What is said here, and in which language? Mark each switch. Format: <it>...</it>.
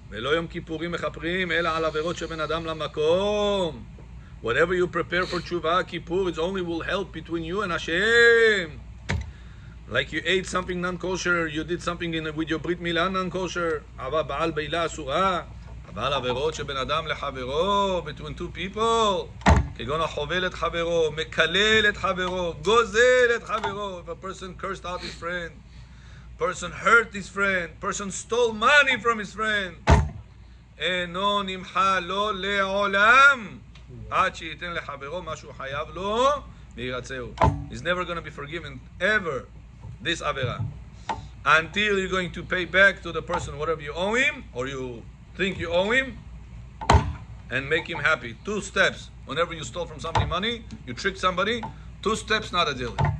<he>ולא יום כיפורים מחפרים, אלא על עבירות שבין אדם למקום.</he> <en>Whatever you prepare for תשובה, כיפור, it only will help between you and Hashem. Like you ate something non-kosher, you did something with your</en> <he>ברית מילה</he> <en>non-kosher,</en> <he>אבל בעל בעילה אסורה, אבל עבירות שבין אדם לחברו,</he> <en>between two people,</en> <he>כגון החובל את חברו, מקלל את חברו,</he> <en>גוזל את חברו, if a person cursed out his friend, person hurt his friend, person stole money from his friend.</en> <he>אינו נמחה לו לעולם עד שייתן לחברו מה שהוא חייב לו וירצהו.</he> <en>He's never going to be forgiven ever this עבירה. Until you're going to pay back to the person whatever you owe him or you think you owe him and make him happy. Two steps. Whenever you stole from somebody money, you tricked somebody, two steps, not a deal.</en>